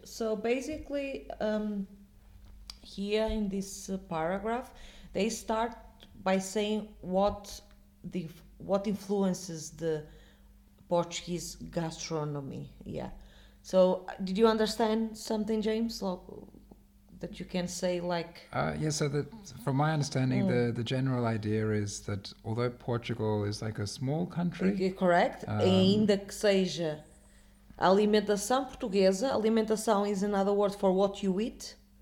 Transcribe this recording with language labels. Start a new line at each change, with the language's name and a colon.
English: So basically, here in this paragraph, they start by saying what influences the Portuguese gastronomy. Yeah. So, did you understand something, James, that you can say, like? Yeah, so from my understanding, the general idea is that although Portugal is like a small country. Correct.
Portuguese: Ainda que seja alimentação portuguesa.
English: Alimentação is another word for what you eat.